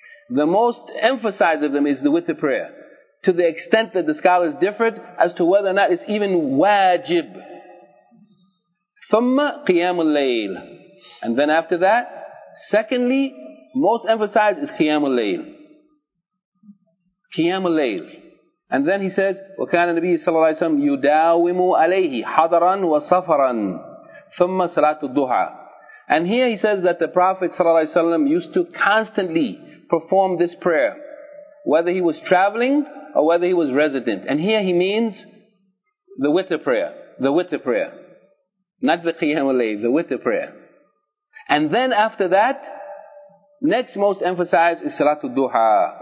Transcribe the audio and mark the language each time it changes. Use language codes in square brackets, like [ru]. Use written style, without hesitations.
[en] The most emphasized of them is the witr prayer, to the extent that the scholars differed as to whether or not it's even wajib. [ar] ثُمَّ قِيَامُ اللَّيْلِ. [en] And then after that, secondly, most emphasized is قِيَامُ اللَّيْلِ. [ar] قِيَامُ اللَّيْلِ. [en] And then he says, [ar] وَكَانَ النَّبِيُّ صَلَّى اللَّهُ عَلَيْهِ وَسَلَّمَ يُدَاوِمُ عَلَيْهِ حَضَرًا وَصَفَرًا ثُمَّ صَلَاةُ الدُّهَى. [en] And here he says that the Prophet ﷺ used to constantly perform this prayer, whether he was traveling or whether he was resident. And here he means the witr prayer, the witr prayer. Not the qiyam al-layl, the witr prayer. And then after that, next most emphasized is salatul duha.